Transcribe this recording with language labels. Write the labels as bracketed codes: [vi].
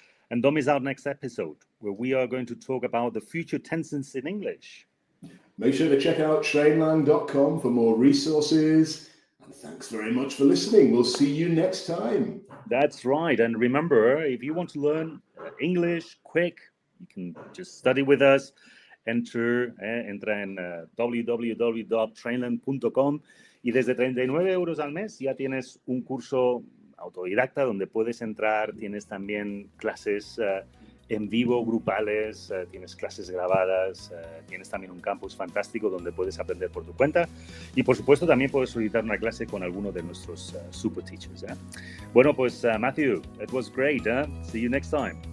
[en] And Dom is our next episode, where we are going to talk about the future tenses in English. Make sure to check out trainlang.com for more resources. And thanks very much for listening. We'll see you next time. That's right. And remember, if you want to learn English quick, you can just study with us. [es] Entra en www.trainland.com y desde 39 euros al mes ya tienes un curso autodidacta donde puedes entrar. Tienes también clases en vivo, grupales, tienes clases grabadas, tienes también un campus fantástico donde puedes aprender por tu cuenta. Y por supuesto, también puedes solicitar una clase con alguno de nuestros super teachers. Bueno, pues [en] Matthew, it was great. See you next time.